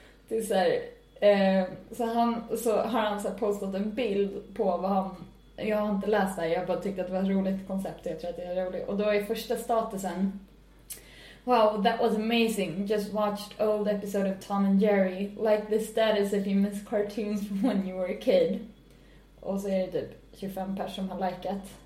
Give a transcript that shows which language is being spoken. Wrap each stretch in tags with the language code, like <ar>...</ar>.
<sv>Till så här, så har han så här postat en bild på vad han... Jag har inte läst det här, jag bara tyckte att det var ett roligt koncept. Jag tror att det är roligt. Och då är första statusen:</sv> <en>wow, that was amazing. Just watched old episode of Tom and Jerry. Like the status if you miss cartoons from when you were a kid.</en> <sv>Och så är det typ 25 personer som har likat.</sv>